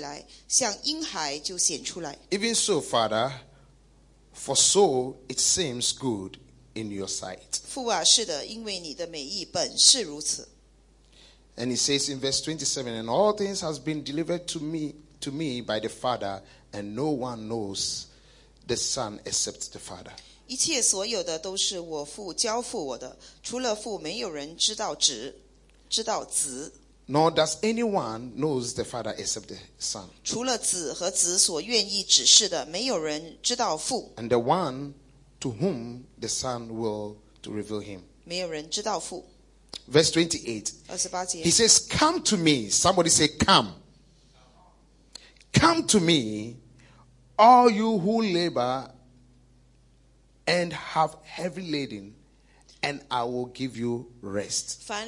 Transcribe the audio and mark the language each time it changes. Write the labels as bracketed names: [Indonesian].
[Chinese] 那时耶稣说,父啊,天地的主,我感谢你,因为你将这些事向聪明的通达人就藏起来,向婴孩就显出来。 [English] Even so, Father, for so it seems good in your sight. [Chinese] 父啊,是的,因为你的美意本是如此。 [English] And he says in verse 27, And all things has been delivered to me by the Father, and no one knows the Son except the Father. [Chinese] 一切所有的都是我父交付我的,除了父没有人知道子。 [English] Nor does anyone know the Father except the Son. [Chinese] 除了子和子所愿意指示的,没有人知道父。 [English] And the one to whom the Son will to reveal him. [Chinese] 没有人知道父。 [English] Verse 28, [Chinese] 28节, [English] he says, Come to me. Somebody say, Come. Come to me, all you who labor and have heavy laden, and I will give you rest.